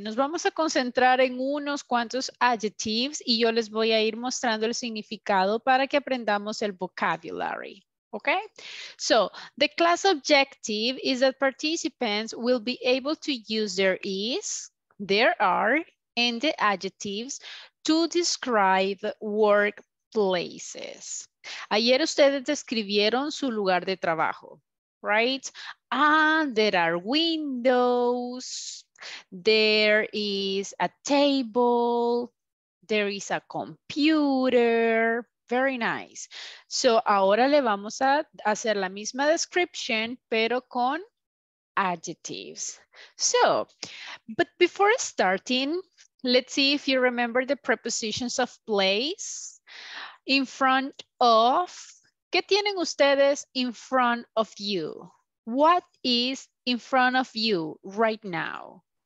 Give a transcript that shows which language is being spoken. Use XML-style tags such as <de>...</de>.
<es>Nos vamos a concentrar en unos cuantos adjectives y yo les voy a ir mostrando el significado para que aprendamos el vocabulary.</es> <en>Okay, so the class objective is that participants will be able to use there is, there are, and the adjectives to describe workplaces.</en> <es>Ayer ustedes describieron su lugar de trabajo, right?</es> <en>Ah, there are windows, there is a table, there is a computer. Very nice.</en> <es>So ahora le vamos a hacer la misma description, pero con adjectives.</es> <en>So, but before starting, let's see if you remember the prepositions of place. In front of,</en> <es>¿qué tienen ustedes</es> <en>in front of you? What is in front of you right now?</en>